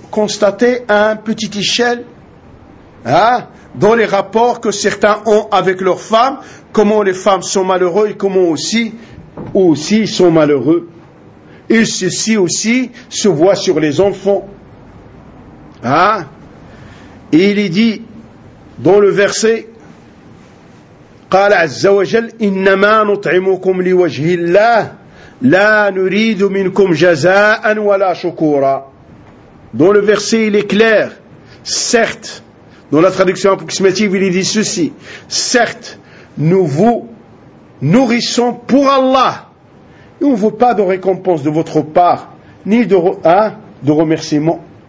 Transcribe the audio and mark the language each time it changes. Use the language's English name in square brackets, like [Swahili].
[French] constater à une petite échelle, hein, dans les rapports que certains ont avec leurs femmes, comment les femmes sont malheureuses et comment aussi ils sont malheureux. Et ceci aussi se voit sur les enfants. Hein? Et il est dit dans le verset, [Arabic] قال عز وجل إنما نطعمكم لوجه الله لا نريد منكم جزاء ولا شكورا. [French] Dans le verset, il est clair. Certes, dans la traduction approximative, il dit ceci. Certes, nous vous nourrissons pour Allah. Et on ne veut pas de récompense de votre part, ni de remerciement.